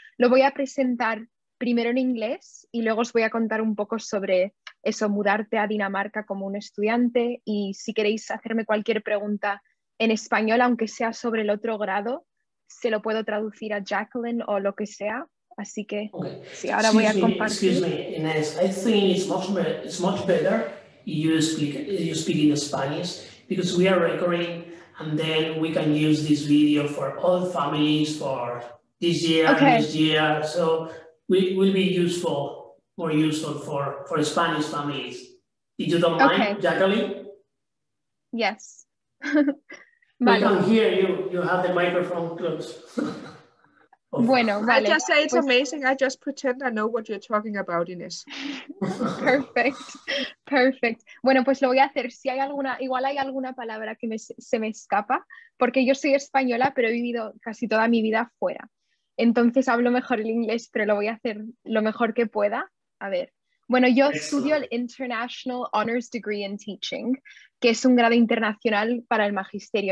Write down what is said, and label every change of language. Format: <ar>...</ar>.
<es>Lo voy a presentar primero en inglés y luego os voy a contar un poco sobre eso, mudarte a Dinamarca como un estudiante, y si queréis hacerme cualquier pregunta en español, aunque sea sobre el otro grado, se lo puedo traducir a Jacqueline o lo que sea. Así que,</es> <en>okay.</en> <es>Sí, ahora</es> <en>excuse</en> <es>voy a compartir.</es> <en>Me, excuse me, Inés, I think it's much better. You speak in Spanish, because we are recording and then we can use this video for all families for this year, okay. This year. So we will be useful, more useful for Spanish families. If you don't mind, okay. Jacqueline? Yes. We can hear you. You have the microphone close.</en> <es>Bueno, vale.</es> <en>I just say it's amazing. I just pretend I know what you're talking about, Ines. Perfect. Perfect.</en> <es>Bueno, pues lo voy a hacer. Si hay alguna, igual hay alguna palabra que se me escapa, porque yo soy española, pero he vivido casi toda mi vida fuera. Entonces hablo mejor el inglés, pero lo voy a hacer lo mejor que pueda. A ver. Bueno, yo estudio el International Honors Degree in Teaching, que es un grado internacional para el magisterio.</es>